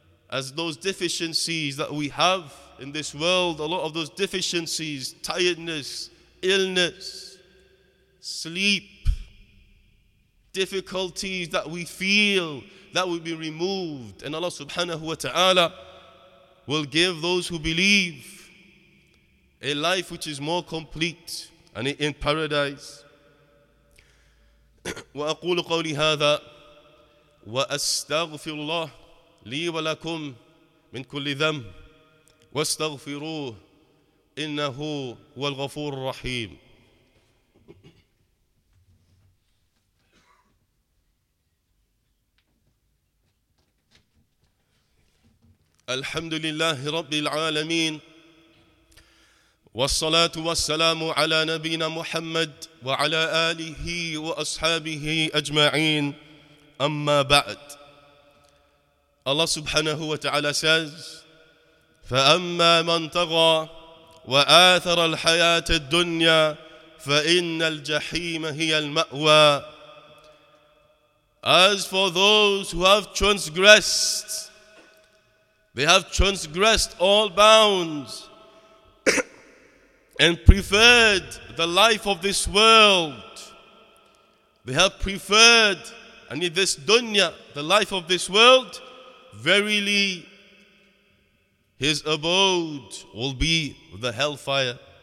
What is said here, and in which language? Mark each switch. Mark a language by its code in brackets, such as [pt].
[en] As those deficiencies that we have in this world, a lot of those deficiencies, tiredness, illness, sleep, difficulties that we feel, that will be removed. And Allah subhanahu wa ta'ala will give those who believe a life which is more complete and in paradise. [ar] وأقول قولي هذا وأستغفر الله لي ولكم من كل ذنب واستغفروه إنه هو الغفور الرحيم. الحمد لله رب العالمين والصلاة والسلام على نبينا محمد وعلى آله وأصحابه أجمعين أما بعد. الله سبحانه وتعالى says, فأما من طغى وآثر الحياة الدنيا فإن الجحيم هي المأوى. [en] As for those who have transgressed, they have transgressed all bounds and preferred the life of this world. They have preferred, and in this dunya, the life of this world, verily, his abode will be the hellfire.